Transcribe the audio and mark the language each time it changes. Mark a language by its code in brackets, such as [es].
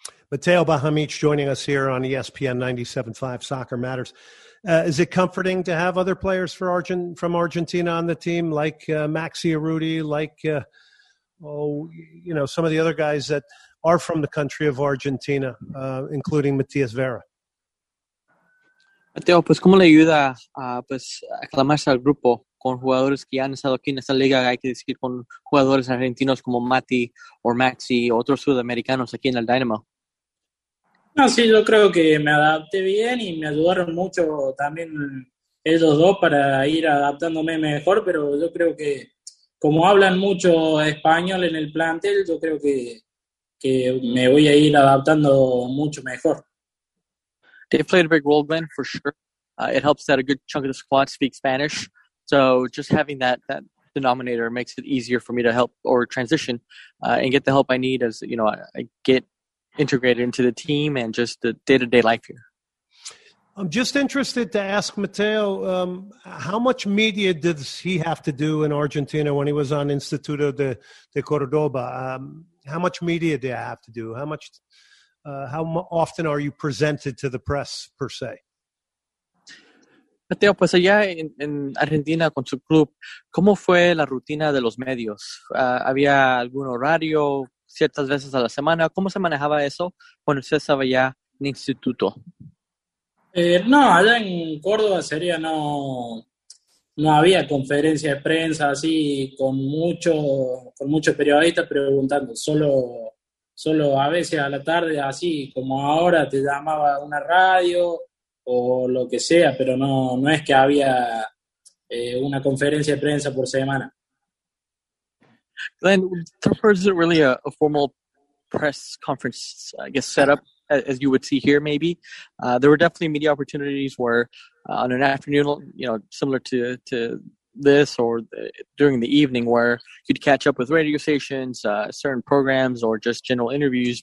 [en] Mateo Bahamic joining us here on ESPN 97.5 Soccer Matters. Is it comforting to have other players from Argentina on the team, like Maxi Arruti, like some of the other guys that are from the country of Argentina, including Matias Vera? [es] Mateo, pues, ¿cómo le ayuda aclamarse al grupo con jugadores que ya han estado aquí en esta liga? Hay que decir, con jugadores argentinos como Mati o Maxi o otros sudamericanos aquí en el Dynamo. No, sí, yo creo que me adapté bien y me ayudaron mucho también ellos dos para ir adaptándome mejor, pero yo creo que como hablan mucho español en el plantel, yo creo que me voy a ir adaptando mucho mejor. [en] They played a big role, Glenn, for sure. It helps that a good chunk of the squad speaks Spanish, so just having that denominator makes it easier for me to help or transition and get the help I need as, you know, I get integrated into the team and just the day-to-day life here. I'm just interested to ask Mateo, how much media does he have to do in Argentina when he was on Instituto de Cordoba? How much media do you have to do? How often are you presented to the press, per se? [es] Mateo, pues allá en Argentina con su club, ¿cómo fue la rutina de los medios? ¿Había algún horario ciertas veces a la semana? ¿Cómo se manejaba eso cuando usted estaba ya en instituto? No, allá en Córdoba sería no había conferencia de prensa así con muchos periodistas preguntando. Solo a veces a la tarde, así como ahora, te llamaba una radio o lo que sea, pero no es que había una conferencia de prensa por semana. [en] Glenn, there wasn't really a formal press conference, I guess, set up, as you would see here, maybe. There were definitely media opportunities where on an afternoon, you know, similar to this, or during the evening, where you'd catch up with radio stations, certain programs, or just general interviews.